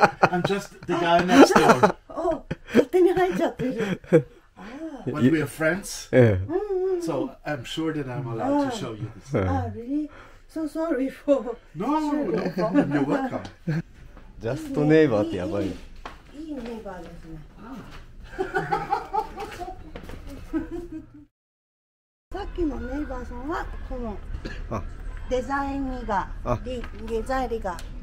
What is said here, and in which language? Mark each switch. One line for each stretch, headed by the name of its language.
English: I'm just the guy next door.
Japanese: Oh, 勝手に入っちゃってる。
English: When we're friends? Yeah. So I'm sure that I'm allowed to show you this. Ah, really? So sorry for... No, no problem. You're welcome.
Japanese: ジャストネイバーってやばい。いいネイバーですね。ああさっきのネイバーさんはこのデザインにがデザインが